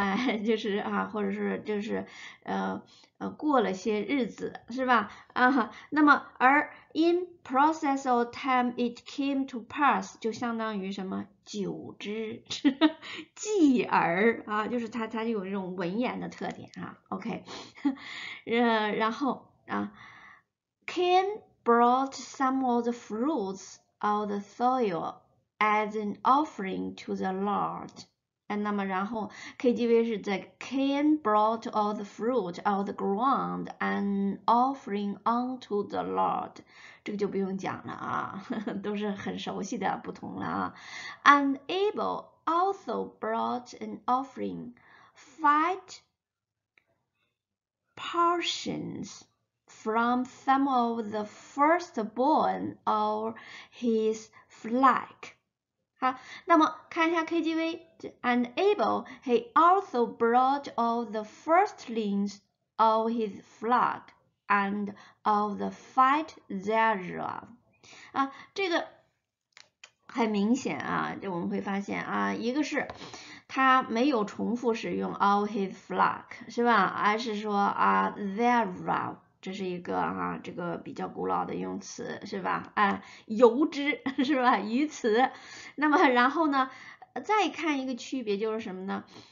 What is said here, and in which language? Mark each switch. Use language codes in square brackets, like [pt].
[zh] 哎，就是啊，或者是就是，过了些日子，是吧？啊，那么而 [en] in process of time it came to pass [zh] 就相当于什么？久之，继而啊，就是它有这种文言的特点啊。 OK，然后啊，can。 [en] Brought some of the fruits of the soil as an offering to the Lord。 [zh] 那么然后 [en] KTV [zh] 是 [en] The Cain brought all the fruit of the ground an offering unto the Lord。 [zh] 这个就不用讲了啊，都是很熟悉的不同了啊。 [en] And Abel also brought an offering, five portions。 From some of the firstborn of his flock。 [zh] 好，那么看一下 KTV。 [en] And Abel, he also brought all the firstlings of his flock and of the fat thereof。 [zh] 啊，这个很明显啊，就我们会发现啊，一个是。它没有重复使用 [en] of his flock， [zh] 是吧？而是说啊，thereof。这是一个哈、啊，这个比较古老的用词是吧？哎，由之是吧？于此，那么然后呢，再看一个区别就是什么呢？